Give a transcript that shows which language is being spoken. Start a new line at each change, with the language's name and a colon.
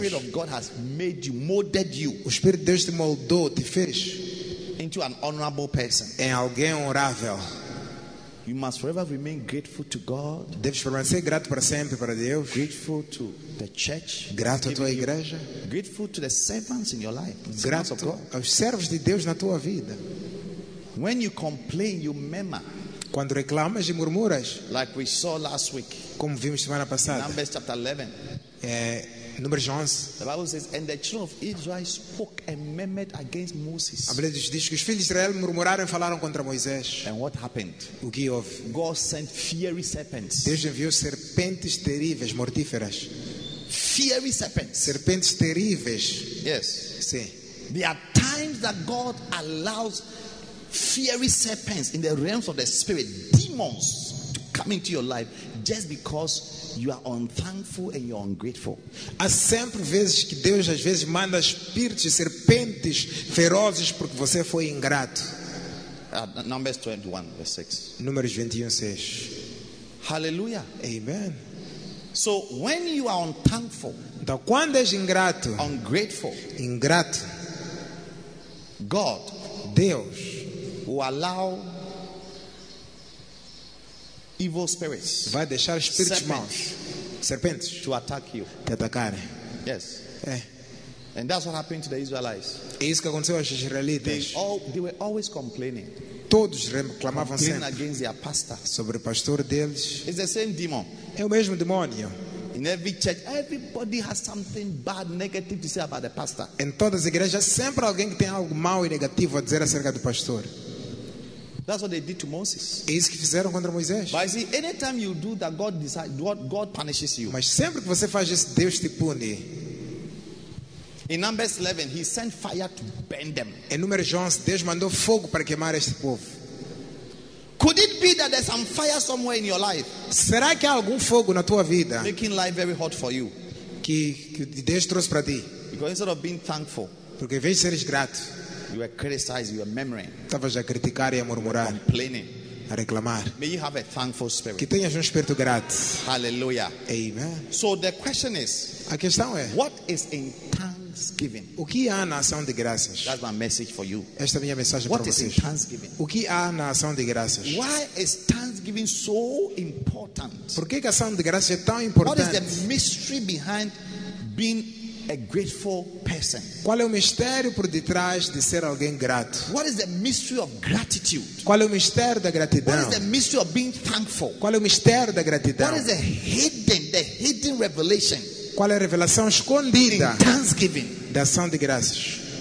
English: The Spirit of God has made you, molded you.
Portuguese: O Espírito de Deus te moldou, te fez.
English: Into an honorable person.
Portuguese: Em alguém honrável.
English: You must forever remain grateful to God.
Portuguese: Deves permanecer grato para sempre para Deus.
English: Grateful to the church.
Portuguese: Grato à tua igreja.
English: Grateful to the servants in your life.
Portuguese: Grato aos servos de Deus na tua vida.
English: When you complain, you murmur.
Portuguese: Quando reclamas e murmuras,
English: like we saw last week,
Portuguese: como vimos semana passada,
English: Numbers chapter 11,
Portuguese: Números 11,
English: the Bible says, and the children of Israel spoke and murmured against Moses.
Portuguese: A Bíblia diz que os filhos de Israel murmuraram e falaram contra Moisés.
English: And what happened?
Portuguese: O que houve?
English: God sent fiery serpents.
Portuguese: Deus enviou serpentes terríveis, mortíferas.
English: Fiery serpents.
Portuguese: Serpentes terríveis.
English: Yes.
Portuguese: Sim.
English: There are times that God allows fiery serpents in the realms of the spirit, demons, come into your life just because you are unthankful and you are ungrateful.
Portuguese: Há sempre vezes que Deus às vezes manda espíritos e serpentes ferozes porque você foi ingrato.
English: Numbers 21, verse 6.
Portuguese: Números 21, 6.
English: Hallelujah. Amen. So when you are unthankful,
Portuguese: então quando és ingrato,
English: ungrateful,
Portuguese: ingrato,
English: God,
Portuguese: Deus,
English: will allow evil spirits,
Portuguese: vai deixar espíritos maus, serpentes,
English: to attack you,
Portuguese: te atacarem.
English: Yes.
Portuguese: É.
English: And that's what happened to the Israelites.
Portuguese: É isso que aconteceu aos israelitas.
English: They were always complaining.
Portuguese: Todos reclamavam sempre
English: against their pastor.
Portuguese: Sobre o pastor deles.
English: It's the same demon.
Portuguese: É o mesmo demônio.
English: In every church, everybody has something bad, negative to say about the pastor.
Portuguese: Em todas as igrejas sempre alguém que tem algo mau e negativo a dizer acerca do pastor.
English: That's what they did to Moses.
Portuguese: É isso que fizeram contra Moisés.
English: But see, anytime you do that, God decides, God punishes you.
Portuguese: Mas sempre que você faz isso, Deus te pune.
English: In Numbers 11, he sent fire to burn them.
Portuguese: Em Números 11, Deus mandou fogo para queimar este povo.
English: Could it be that there's some fire somewhere in your life?
Portuguese: Será que há algum fogo na tua vida?
English: Making life very hot for you.
Portuguese: Que Deus trouxe para ti.
English: Because instead of being thankful,
Portuguese: porque em vez de seres grato,
English: you were criticizing, you were murmuring.
Portuguese: Estavas a criticar e a murmurar.
English: Complaining.
Portuguese: A reclamar.
English: May you have a thankful spirit.
Portuguese: Que tenhas espírito grato.
English: Hallelujah. Amen. So the question is,
Portuguese: a questão é,
English: what is in thankfulness?
Portuguese: O que há na ação de graças?
English: That's my message for you.
Portuguese: Esta é minha mensagem
English: what
Portuguese: para
English: is
Portuguese: vocês.
English: Thanksgiving?
Portuguese: O que há na ação de graças?
English: Why is thanksgiving so important?
Portuguese: Por que a ação de graças é tão importante?
English: What is the mystery behind being a grateful person?
Portuguese: Qual é o mistério por detrás de ser alguém grato?
English: What is the mystery of gratitude?
Portuguese: Qual é o mistério da gratidão?
English: What is the mystery of being thankful?
Portuguese: Qual é o mistério da gratidão?
English: What is the hidden revelation?
Portuguese: Qual é a revelação escondida
English: in thanksgiving.
Portuguese: Da ação de graças?